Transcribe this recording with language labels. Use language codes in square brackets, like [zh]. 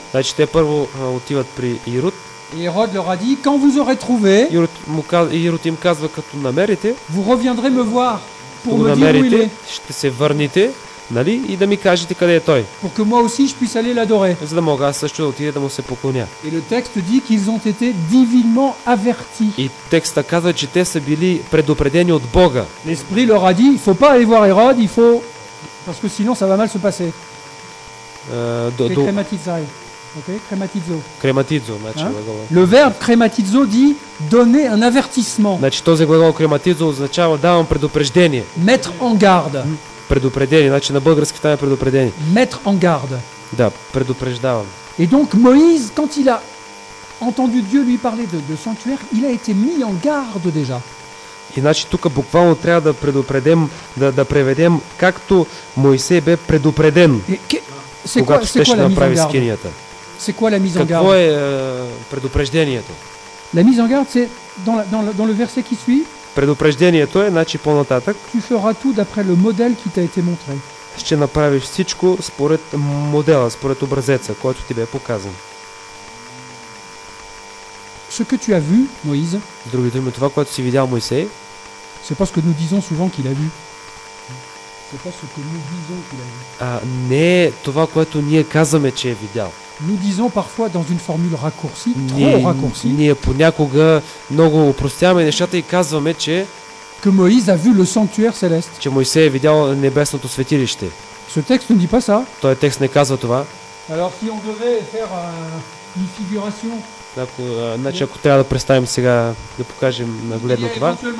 [bg] Значи те първо отиват при Ирод. [fr] Et Hérode leur a dit, quand vous aurez trouvé, [bg] Hérode им казва, като намерите, [fr] vous reviendrez me voir pour me dire où il est. [bg] Ще се върните, нали, и да ми кажете къде е той. [fr] Pour que moi aussi je puisse aller l'adorer. [bg] За да мога също да отида да му се поклоня. [fr] Et le texte dit qu'ils ont été divinement avertis. [bg] И текста казва, че те са били предупредени от Бога. [fr] L'esprit leur a dit, il faut pas aller voir Hérode, il faut parce que sinon ça va mal se passer. crématizai. Ok, crématizo. [bg] Crématizo, значит, hein? Глагол. [fr] Le verbe crématizo dit donner un avertissement. [bg] Значит, този глагол crématizo означава давам предупреждение. [fr] Mettre en garde. [bg] Предупреждение, значи на български това е предупреждение. [fr] Mettre en garde. [bg] Да, предупреждавам. [fr] Et donc Moïse, quand il a entendu Dieu lui parler de sanctuaire, il a été mis en garde déjà. [bg] Иначе тук буквално трябва да предупредим, да преведем както Моисей бе предупреден. Когато щеше да направи скинията. Какво е предупреждението? [fr] La mise en garde, c'est dans le verset qui suit. [bg] Предупреждението е, значи по-нататък. [fr] Tu feras tout d'après le modèle qui t'a été montré. [bg] Ще направиш всичко според модела, според образеца, който ти бе показан. [fr] Ce que tu as vu, Moïse. [bg] Другите думи, това, което си видял Моисей. [fr] C'est pas ce que nous disons souvent qu'il a vu. C'est pas ce que nous disons qu'il a vu. [bg] Не е това, което ние казваме, че е видял. [fr] Nous disons parfois dans une formule raccourcie, trop raccourcie. [bg] Ние понякога много упростяваме нещата и казваме, че [fr] que Moïse a vu le sanctuaire céleste. [bg] Че Моисей е видял небесното светилище. [fr] Ce texte ne dit pas ça. [bg] Този текст не казва това. [fr] Alors si on devait faire une figuration. [bg] Ако, значи, ако трябва да представим сега, да покажем нагледно това.